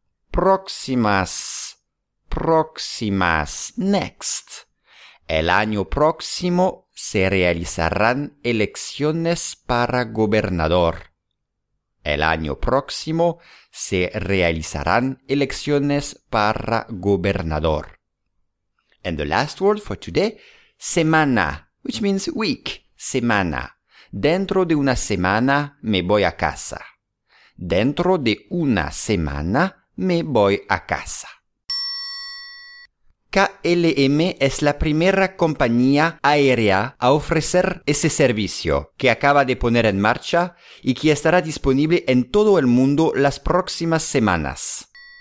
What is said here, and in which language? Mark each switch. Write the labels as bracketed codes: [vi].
[es] Próximas. Próximas. Next. El año próximo se realizarán elecciones para gobernador. El año próximo se realizarán elecciones para gobernador. [en] And the last word for today, semana, which means week. [es] Semana. Dentro de una semana me voy a casa. Dentro de una semana me voy a casa. KLM es la primera compañía aérea a ofrecer ese servicio que acaba de poner en marcha y que estará disponible en todo el mundo las próximas semanas.